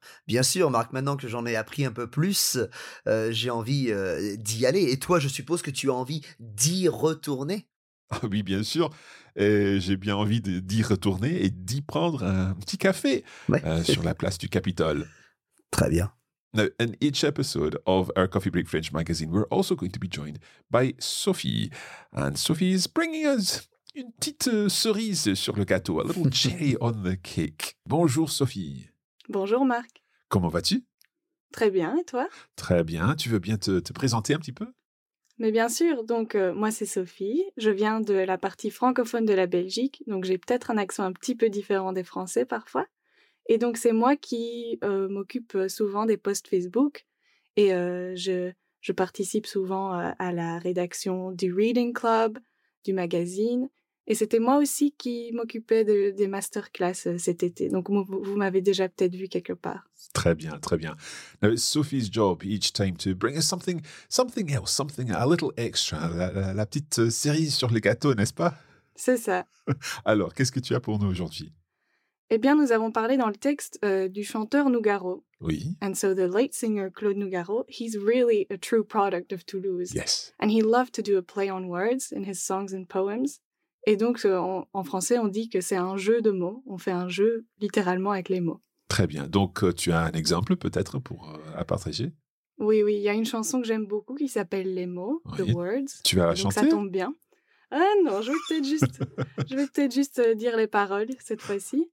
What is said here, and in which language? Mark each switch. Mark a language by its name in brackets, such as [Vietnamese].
[French] Bien sûr, Marc, maintenant que j'en ai appris un peu plus, j'ai envie d'y aller. Et toi, je suppose que tu as envie d'y retourner? Ah oui, bien sûr. Et j'ai bien envie d'y retourner et d'y prendre un petit café sur la place du Capitole. Très bien. [English] Now, in each episode of our Coffee Break French magazine, we're also going to be joined by Sophie. And Sophie is bringing us [French] une petite cerise sur le gâteau, [English] a little cherry on the cake. [French] Bonjour, Sophie. Bonjour, Marc. Comment vas-tu? Très bien, et toi? Très bien. Tu veux bien te présenter un petit peu? Mais bien sûr. Donc, moi, c'est Sophie. Je viens de la partie francophone de la Belgique, donc j'ai peut-être un accent un petit peu différent des Français parfois. Et donc, c'est moi qui m'occupe souvent des posts Facebook et je participe souvent à la rédaction du Reading Club, du magazine. Et c'était moi aussi qui m'occupais des masterclass cet été. Donc, vous m'avez déjà peut-être vu quelque part. Très bien, très bien. [English] Now, it's Sophie's job each time to bring us something else, something a little extra, [French] la petite cerise sur le gâteau, n'est-ce pas? C'est ça. Alors, qu'est-ce que tu as pour nous aujourd'hui? Eh bien, nous avons parlé dans le texte du chanteur Nougaro. Oui. [English] And so the late singer Claude Nougaro, he's really a true product of Toulouse. Yes. And he loved to do a play on words in his songs and poems. [French] Et donc, en français, on dit que c'est un jeu de mots. On fait un jeu littéralement avec les mots. Très bien. Donc, tu as un exemple peut-être pour à partager? Oui, oui. Il y a une chanson que j'aime beaucoup qui s'appelle Les mots, oui. [English] The Words. [French] Tu vas la chanter? Ça tombe bien. Ah non, je vais peut-être juste dire les paroles cette fois-ci.